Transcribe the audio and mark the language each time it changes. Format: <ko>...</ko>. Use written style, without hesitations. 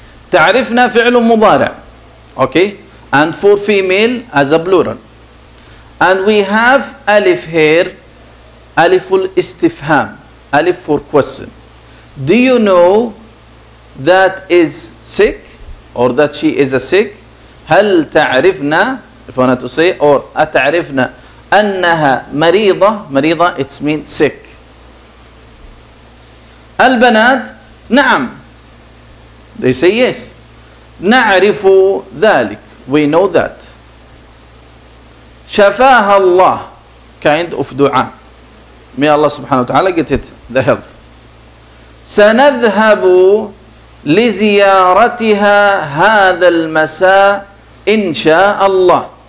<ar>تعرفنا فعل مضارع.</ar> <en>Okay. And for female as a plural. And we have alif here. Alif al-istifham. Alif for question. Do you know that is sick or that she is a sick?</en> <ar>هل تعرفنا,</ar> <en>if I want to say, or</en> <ar>أتعرفنا أنها مريضة.</ar> <en>مريضة, it means sick.</en> <ar>البنات, نعم.</ar> <en>They say yes.</en> <ar>نعرف ذلك.</ar> <en>We know that.</en> <ar>شفاها الله.</ar> <en>Kind of دعاء. May Allah subhanahu wa ta'ala get it the health.</en> <ar>سنذهب لزيارتها هذا المساء إن شاء الله.</ar>